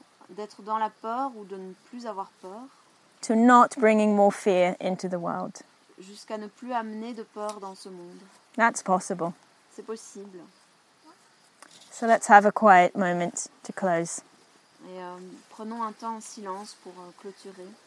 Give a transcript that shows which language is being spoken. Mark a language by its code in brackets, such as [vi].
[fr] D'être dans la peur ou de ne plus avoir peur. [en] To not bringing more fear into the world. [fr] Jusqu'à ne plus amener de peur dans ce monde. [en] That's possible. [fr] C'est possible. [en] So let's have a quiet moment to close. [fr] Et prenons un temps en silence pour clôturer.